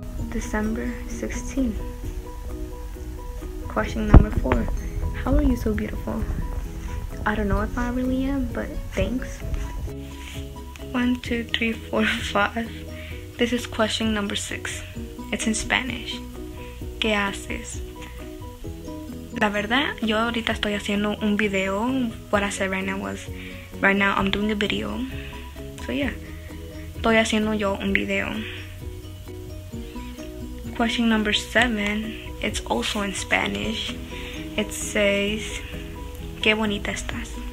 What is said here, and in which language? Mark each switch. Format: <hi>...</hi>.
<en>December 16th. Question number four: how are you so beautiful? I don't know if I really am, but thanks. 1, 2, 3, 4, 5. This is question number six. It's in Spanish.</en> <es>¿Qué haces? La verdad, yo ahorita estoy haciendo un video.</es> <en>What I said right now was, right now I'm doing a video. So yeah,</en> <es>estoy haciendo yo un video.</es> <en>Question number seven, it's also in Spanish. It says,</en> <es>¿qué bonita estás?</es>